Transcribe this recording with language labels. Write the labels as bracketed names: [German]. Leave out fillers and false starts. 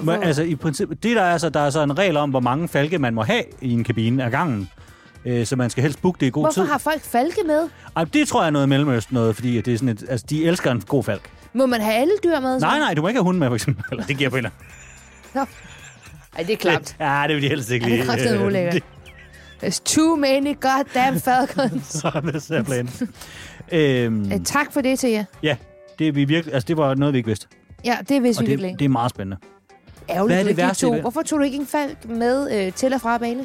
[Danish] Men, altså i princippet, det der er så, der er så en regel om, hvor mange falke man må have i en kabine ad gangen. Så man skal helst booke det i god Hvorfor tid. Hvorfor har folk falke med? Ej, det tror jeg er noget mellemøst noget, fordi det er sådan et, altså, de elsker en god falk. Må man have alle dyr med? Nej, nej, du må ikke have hunden med, for eksempel. Eller det giver på en eller anden. Ej, det er klamt. Ja, det vil de helst ikke lide. Ja, det er kraftedet ulækkert. [English] There's too many goddamn falcons. [Danish] Sådan er simpelthen. Tak for det til jer. Ja, det, vi virkelig, altså, det var noget, vi ikke vidste. Ja, det vidste vi virkelig. Det er meget spændende. Ærgerligt, hvad er det værste, to? Hvorfor tog du ikke en falk med til og fra banen?